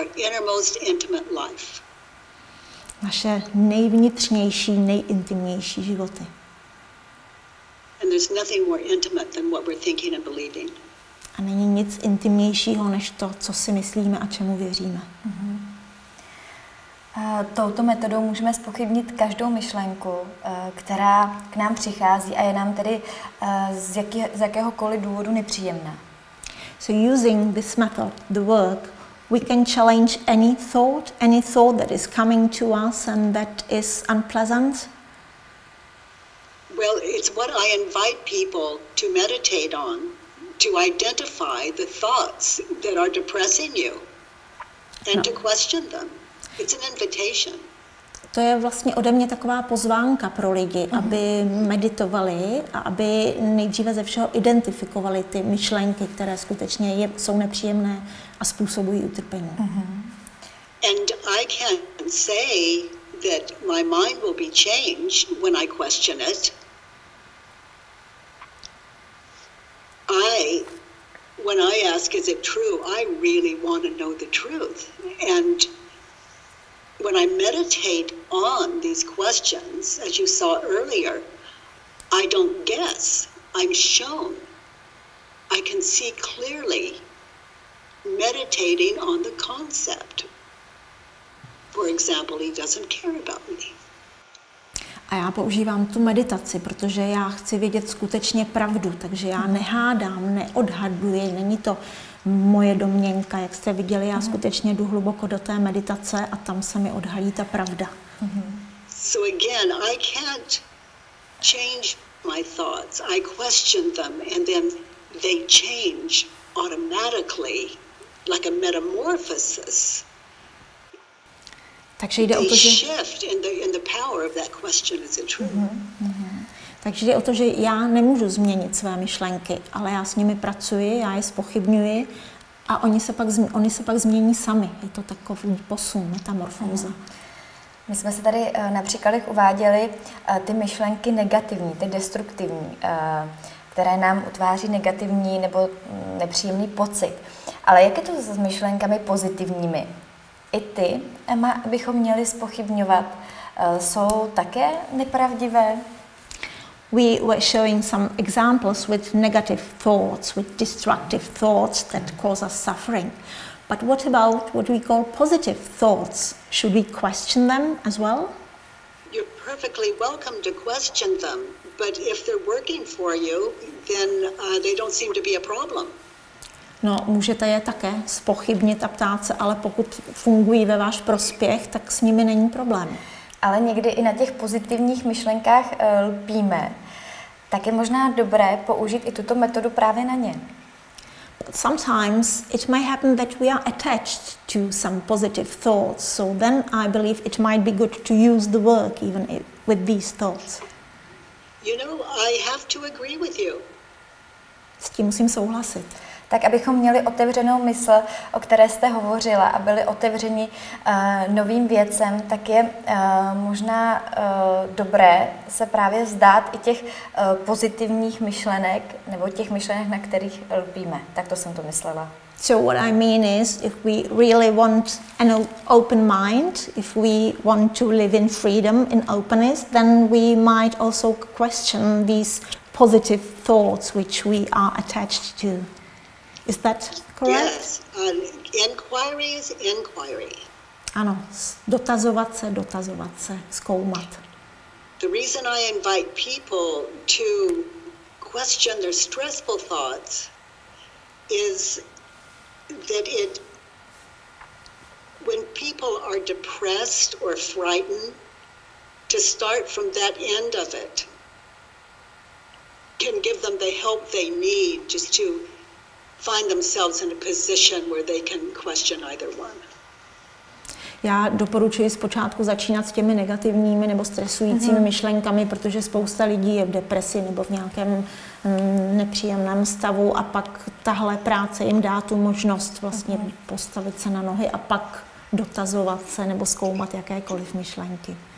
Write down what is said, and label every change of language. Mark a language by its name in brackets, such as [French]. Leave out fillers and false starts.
[English] our innermost intimate life. [Czech] Naše nejvnitřnější, nejintimnější životy. [English] And there's nothing more intimate than what we're thinking and believing. [Czech] A není nic intimnějšího než to, co si myslíme a čemu věříme. Touto metodou můžeme zpochybnit každou myšlenku, která k nám přichází a je nám tedy z jakéhokoliv důvodu nepříjemná. [English] So using this method, the work, we can challenge any thought that is coming to us and that is unpleasant. Well, it's what I invite people to meditate on, to identify the thoughts that are depressing you and to question them. It's an invitation. [Czech] To je vlastně ode mě taková pozvánka pro lidi, aby meditovali a aby nejdříve ze všeho identifikovali ty myšlenky, které skutečně jsou nepříjemné a způsobují utrpení. [English] And I can say that my mind will be changed when I question it. When I ask, is it true? I really want to know the truth. And when I meditate on these questions, as you saw earlier, I don't guess, I'm shown. I can see clearly meditating on the concept. For example, he doesn't care about me. [Czech] A já používám tu meditaci, protože já chci vědět skutečně pravdu, takže já nehádám, neodhaduji, není to moje domněnka, jak jste viděli, já skutečně jdu hluboko do té meditace a tam se mi odhalí ta pravda. [English] So again, I can't change my thoughts. I question them and then they change automatically, like a metamorphosis. [Czech] Takže jde o to, že [English] shift in the power of that question, is it true? [Czech] Takže jde o to, že já nemůžu změnit své myšlenky, ale já s nimi pracuji, já je zpochybňuji a oni se pak změní sami. Je to takový posun, metamorfóza. My jsme se tady na příkladech uváděli ty myšlenky negativní, ty destruktivní, které nám utváří negativní nebo nepříjemný pocit. Ale jak je to s myšlenkami pozitivními? I ty, Emma, bychom měli zpochybňovat, jsou také nepravdivé? [English] We were showing some examples with negative thoughts, with destructive thoughts that cause us suffering. But what about what we call positive thoughts? Should we question them as well? You're perfectly welcome to question them, but if they're working for you, then they don't seem to be a problem. [Czech] No, můžete je také zpochybnit a ptát se, ale pokud fungují ve váš prospěch, tak s nimi není problém. Ale někdy i na těch pozitivních myšlenkách lpíme. Tak je možná dobré použít i tuto metodu právě na ně. [English] But sometimes it may happen that we are attached to some positive thoughts, so then I believe it might be good to use the work even with these thoughts. You know, I have to agree with you. [Czech] S tím musím souhlasit. Tak abychom měli otevřenou mysl, o které jste hovořila, a byli otevřeni novým věcem, tak je možná dobré se právě vzdát i těch pozitivních myšlenek nebo těch myšlenek, na kterých lpíme. Tak to jsem to myslela. [English] So what I mean is, if we really want an open mind, if we want to live in freedom, in openness, then we might also question these positive thoughts which we are attached to. Is that correct? Yes. Inquiry is inquiry. [Czech] Ano, dotazovat se, zkoumat. [English] The reason I invite people to question their stressful thoughts is that it, when people are depressed or frightened, to start from that end of it can give them the help they need just to find themselves in a position where they can question either one. [Czech] Já doporučuji zpočátku začínat s těmi negativními nebo stresujícími myšlenkami, protože spousta lidí je v depresi nebo v nějakém nepříjemném stavu a pak tahle práce jim dá tu možnost vlastně postavit se na nohy a pak dotazovat se nebo zkoumat jakékoliv myšlenky.